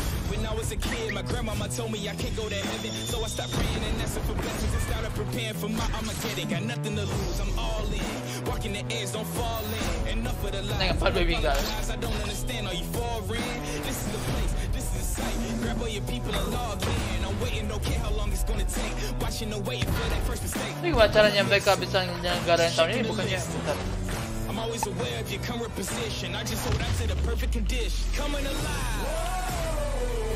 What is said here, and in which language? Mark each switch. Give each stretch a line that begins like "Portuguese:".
English: When I was a kid, my grandmama told me I can't go to heaven, so I stopped praying and asking for blessings and started preparing for my Armageddon. Got nothing to lose, I'm all in. Walking the edge, don't fall in. Enough of the lies, I don't understand. Are you foreign? This is the place, this is the site. Grab all your people and log in. I'm waiting, don't care how long it's gonna take. Watching the way for that first mistake.
Indonesian: Gimana caranya mereka bisa nyelenggarain tahun ini? Bukannya bentar.
English: I'm always aware of your current position. I just hold on to the perfect condition. Coming alive.